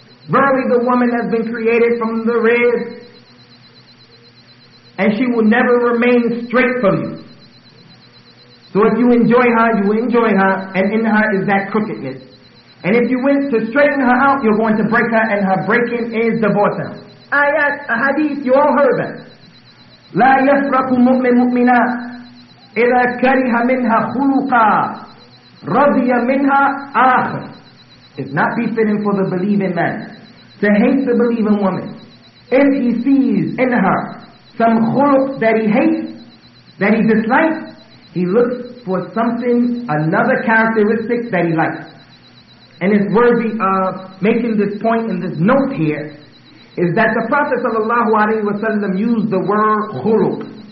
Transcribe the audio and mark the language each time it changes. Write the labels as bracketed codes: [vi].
[en] Verily the woman has been created from the rib, and she will never remain straight from you. So if you enjoy her, you will enjoy her, and in her is that crookedness. And if you went to straighten her out, you're going to break her, and her breaking is divorce her. Ayat, a hadith, you all heard that. [ar] لا يفرق مؤمن مؤمنا إذا كره منها خلقا رضي منها آخر. [en] It's not befitting for the believing man to hate the believing woman. If he sees in her some khuluq that he hates, that he dislikes, he looks for something, another characteristic that he likes. And it's worthy of making this point and this note here, is that the Prophet sallallahu alaihi wasallam used the word khuluq.